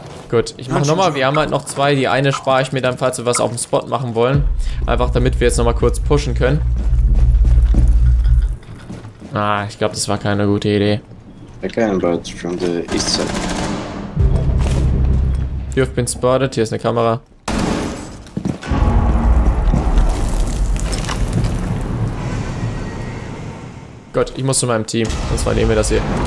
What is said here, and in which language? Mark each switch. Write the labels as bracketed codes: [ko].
[de] Gut, ich mach nochmal, wir haben halt noch zwei, die eine spare ich mir dann, falls wir was auf dem Spot machen wollen. Einfach damit wir jetzt nochmal kurz pushen können. Ah, ich glaube, das war keine gute Idee. [en] I can, but from the east side. You've been spotted, [de] hier ist eine Kamera. Gut, ich muss zu meinem Team, sonst vernehmen wir das hier.